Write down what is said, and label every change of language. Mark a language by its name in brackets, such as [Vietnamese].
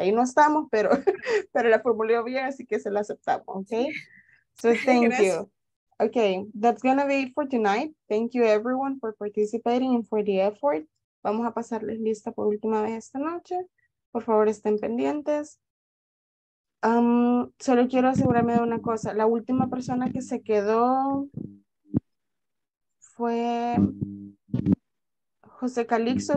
[Spanish] Ahí no estamos, pero la formuleó bien, así que se la aceptamos, okay? [English] So thank you. Okay, that's going to be it for tonight. Thank you everyone for participating and for the effort. [Spanish] Vamos a pasarles lista por última vez esta noche. Por favor, estén pendientes. Solo quiero asegurarme de una cosa. La última persona que se quedó fue José Calixto.